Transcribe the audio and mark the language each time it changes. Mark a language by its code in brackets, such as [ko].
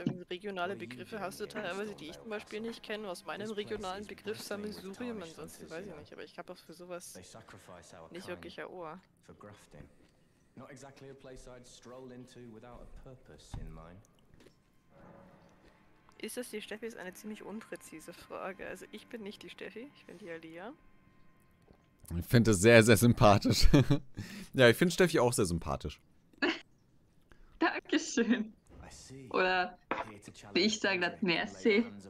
[de] Regionale Begriffe hast du teilweise, die ich zum Beispiel nicht kenne. Aus meinem regionalen Begriff Sammelsurium, ansonsten weiß ich nicht. Aber ich habe auch für sowas nicht wirklich ein Ohr. [en] Not exactly a place I'd stroll into without a purpose in mind. [de] Ist das die Steffi? Ist eine ziemlich unpräzise Frage. Also ich bin nicht die Steffi, ich bin die Alia. Ich finde das sehr, sehr sympathisch. Ja, ich finde Steffi auch sehr sympathisch. Dankeschön. Oder wie ich sage, das Merci.